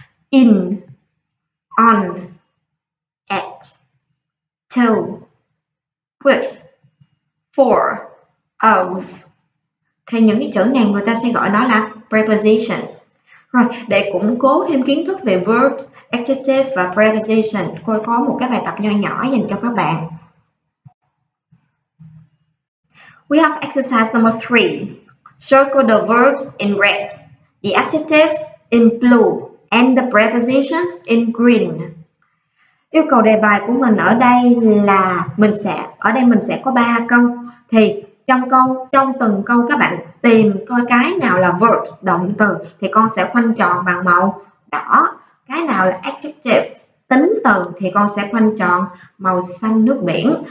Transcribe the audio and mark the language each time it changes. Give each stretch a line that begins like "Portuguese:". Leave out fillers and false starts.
English: In, on, to, with, for, of,
Vietnamese: Thì những cái chữ này người ta sẽ gọi đó là prepositions. Rồi, để củng cố thêm kiến thức về verbs, adjective và preposition, cô có một cái bài tập nho nhỏ dành cho các bạn.
English: We have exercise number 3. Circle the verbs in red, the adjectives in blue, and the prepositions in green.
Vietnamese: Yêu cầu đề bài của mình ở đây là mình sẽ có 3 câu. Thì trong từng câu các bạn tìm coi cái nào là verbs, động từ, thì con sẽ khoanh tròn bằng màu đỏ. Cái nào là adjectives, tính từ, thì con sẽ khoanh tròn màu xanh nước biển.